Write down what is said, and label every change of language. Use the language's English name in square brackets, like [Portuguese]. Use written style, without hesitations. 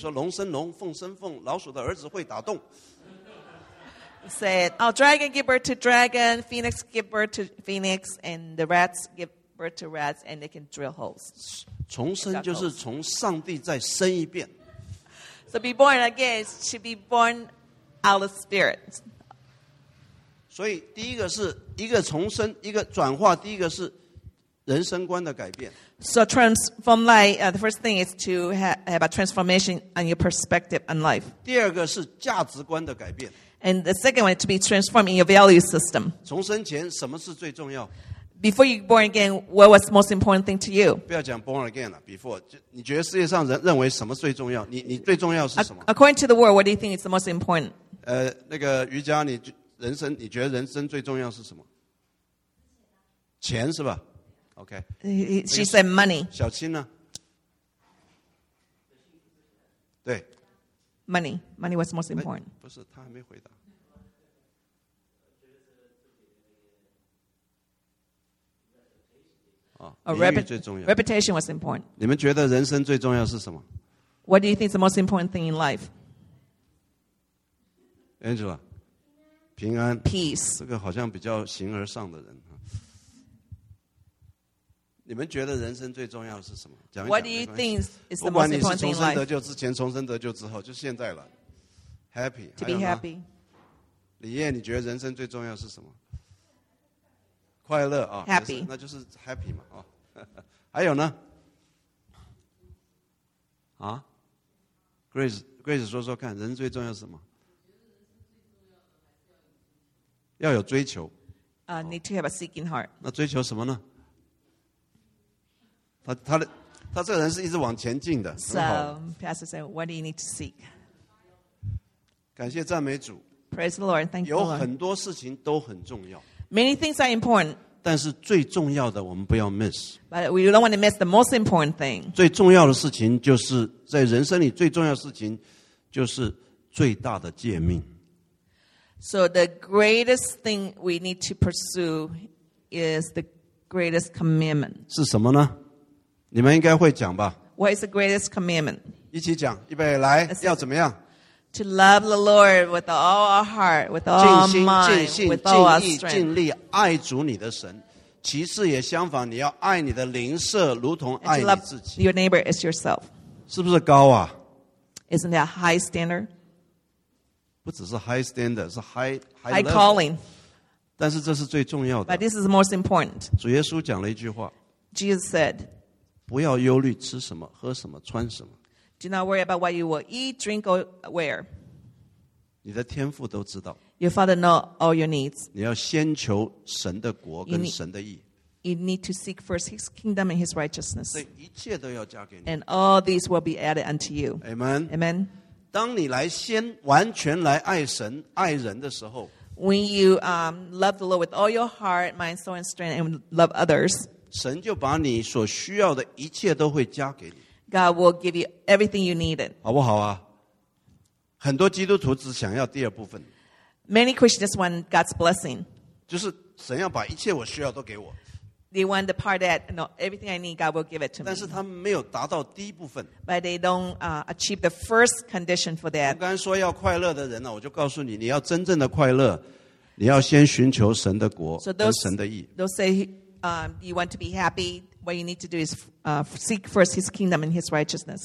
[Chinese] 说龙生龙，凤生凤，老鼠的儿子会打洞。 [English] Said, oh, dragon give birth to dragon, phoenix give birth to phoenix, and the rats give birth to rats, and they can drill holes. [Chinese] 重生就是从上帝再生一遍。 [English] So be born again, to be born out of spirit. [Chinese] 所以第一个是一个重生，一个转化，第一个是人生观的改变。 [English] So transform life, the first thing is to have a transformation on your perspective on life. [Chinese] 第二个是价值观的改变。 [English] And the second one, to be transformed in your value system. [Chinese] 重生前什么是最重要？ [English] Before you born again, what was the most important thing to you? [Chinese] 不要讲 born again 了， before, 就你觉得世界上人认为什么最重要？你最重要是什么？ [English] According to the world, what do you think is the most important? [Chinese] 那个瑜伽，你人生，你觉得人生最重要是什么？钱是吧？OK. [English] She said money. [Chinese] 小青呢？对。 [English] Money was most important. [Chinese] 不是，他还没回答。 [English] Reputation was important. [Chinese] 你们觉得人生最重要是什么？ [English] What do you think is the most important thing in life? [Chinese] Angela, 平安。 [English] Peace. [Chinese] 这个好像比较形而上的人。你们觉得人生最重要的是什么？讲一讲。 [English] What do you think is the most important in life? [Chinese] 不管你是重生得救之前、重生得救之后，就现在了。 [English] Happy. To be happy. [Chinese] 李燕，你觉得人生最重要是什么？快乐啊。 [English] Happy. [Chinese] 那就是 happy 嘛啊。还有呢？啊 ？Grace 说说看，人最重要是什么？要有追求。 [English] Need to have a seeking heart. [Chinese] 那追求什么呢？他这个人是一直往前进的。 [English] So, Pastor said, what do you need to seek? [Chinese] 感谢赞美主。 [English] Praise the Lord, thank you. [Chinese] 有很多事情都很重要。 [English] Many things are important. [Chinese] 但是最重要的我们不要 miss. [English] But we don't want to miss the most important thing. [Chinese] 最重要的事情就是在人生里最重要的事情就是最大的诫命。 [English] So the greatest thing we need to pursue is the greatest commandment. [Chinese] 是什么呢？你们应该会讲吧。 [English] What is the greatest commandment? [Chinese] 一起讲，预备，来，要怎么样？ [English] To love the Lord with all our heart, with all our mind, with all our strength. [Chinese] 尽心、尽性、尽意、尽力爱主你的神。其次也相反，你要爱你的邻舍，如同爱你自己。 [English] Your neighbor is yourself. [Chinese] 是不是高啊？ [English] Isn't that high standard? [Chinese] 不只是 [English] high standard, [Chinese] 是 high [English] level. High calling. [Chinese] 但是这是最重要的。 [English] But this is most important. [Chinese] 主耶稣讲了一句话。 [English] Jesus said, [Chinese] 不要忧虑吃什么喝什么穿什么。 [English] Do not worry about what you will eat, drink, or wear. [Chinese] 你的天父都知道。 [English] Your father knows all your needs. [Chinese] 你要先求神的国跟神的义。 [English] You need to seek first his kingdom and his righteousness. [Chinese] 所以一切都要加给你。 [English] And all these will be added unto you. Amen. Amen. [Chinese] 当你来先完全来爱神爱人的时候。 [English] When you love the Lord with all your heart, mind, soul, and strength, and love others, [Chinese] 神就把你所需要的一切都会加给你。 [English] God will give you everything you needed. [Chinese] 好不好啊？很多基督徒只想要第二部分。 [English] Many Christians want God's blessing. [Chinese] 就是神要把一切我需要都给我。 [English] They want the part that, you know, everything I need, God will give it to me. [Chinese] 但是他们没有达到第一部分。 [English] But they don't achieve the first condition for that. [Chinese] 我刚说要快乐的人呢，我就告诉你，你要真正的快乐，你要先寻求神的国和神的义。 [English] So those say, you want to be happy, what you need to do is seek first His kingdom and His righteousness.